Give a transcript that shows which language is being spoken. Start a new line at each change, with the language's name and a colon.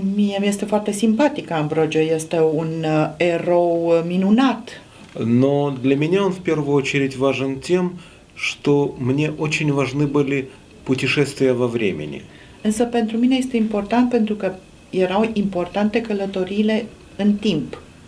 Russian: Мне
Romanian: este foarte simpatic, Амброджо este un erou minunat.
Russian: Но для меня он в первую очередь важен тем, что мне очень важны были путешествия во времени.
Romanian: Însă pentru mine este important pentru că erau importante călătoriile în timp.